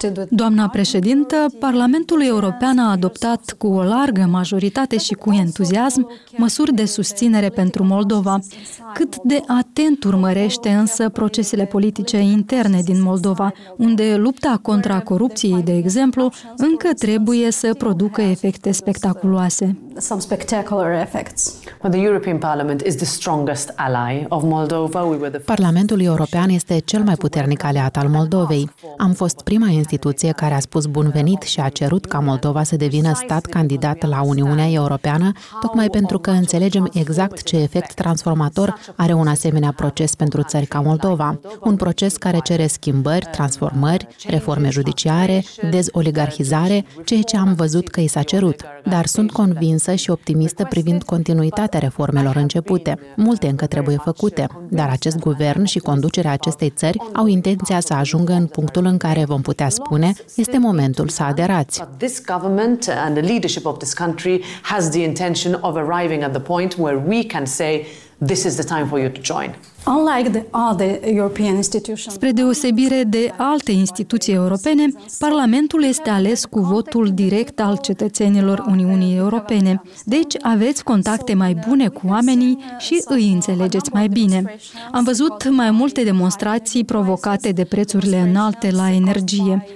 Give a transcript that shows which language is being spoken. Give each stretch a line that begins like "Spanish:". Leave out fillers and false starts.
Romanian: Doamna președintă, Parlamentul European a adoptat cu o largă majoritate și cu entuziasm măsuri de susținere pentru Moldova. Cât de atent urmărește însă procesele politice interne din Moldova, unde lupta contra corupției, de exemplu, încă trebuie să producă efecte spectaculoase.
English: Some spectacular effects. Well, the European Parliament is the strongest ally of Moldova.
Romanian: Parlamentul European este cel mai puternic aliat al Moldovei. Am fost prima instituție care a spus bun venit și a cerut ca Moldova să devină stat candidat la Uniunea Europeană, tocmai pentru că înțelegem exact ce efect transformator are un asemenea proces pentru țări ca Moldova. Un proces care cere schimbări, transformări, reforme judiciare, dezoligarhizare, ceea ce am văzut că i s-a cerut. Dar sunt convinsă și optimistă privind continuitatea reformelor începute. Multe încă trebuie făcute, dar acest guvern și conducerea acestei țări au intenția să ajungă în punctul în care vom putea spune este momentul să aderați.
English: This government and the leadership of this country has the intention of arriving at the point where we can say this is the time for you to join. Unlike the other European institutions.
Romanian: Spre deosebire de alte instituții europene, Parlamentul este ales cu votul direct al cetățenilor Uniunii Europene. Deci aveți contacte mai bune cu oamenii și îi înțelegeți mai bine. Am văzut mai multe demonstrații provocate de prețurile înalte la energie.